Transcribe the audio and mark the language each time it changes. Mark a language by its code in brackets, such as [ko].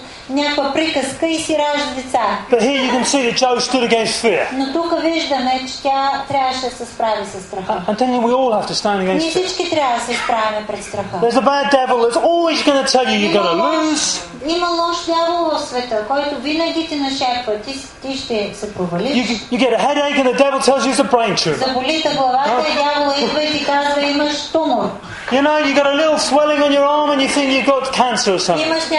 [bg] Някаква приказка и си ражда деца. [en] But here you can see that Joe stood against fear. [bg] Но тук виждаме, че тя трябваше да се справи с страха. [en] And then we all have to stand against fear. [bg] Ние всички трябва да се справим пред страха. [en] There's a bad devil that's always going to tell you you're going to lose. [bg] Има лош дявол в света, който винаги ти нашепва, ти ще се провалиш. [en] You get a headache and the devil tells you it's a brain tumor. [bg] Заболи те главата и дявола идва и ти казва имаш тумор. [en] You know, you got a little swelling on your arm and you think you've got cancer or something.